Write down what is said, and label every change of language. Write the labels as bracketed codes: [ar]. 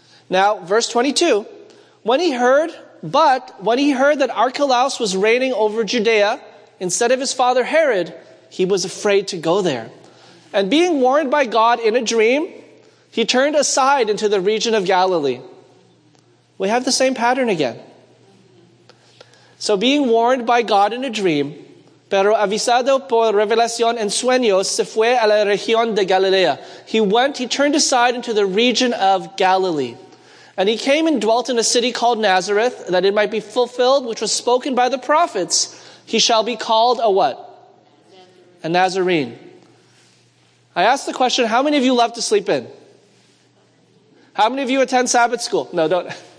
[en] Now, verse 22, when he heard that Archelaus was reigning over Judea instead of his father Herod, he was afraid to go there. And being warned by God in a dream, he turned aside into the region of Galilee. We have the same pattern again. So being warned by God in a dream, [es] pero avisado por revelación en sueños, se fue a la región de Galilea. [en] He turned aside into the region of Galilee. And he came and dwelt in a city called Nazareth, that it might be fulfilled, which was spoken by the prophets. He shall be called a what? Nazarene. A Nazarene. I asked the question, how many of you love to sleep in? How many of you attend Sabbath school? No, don't.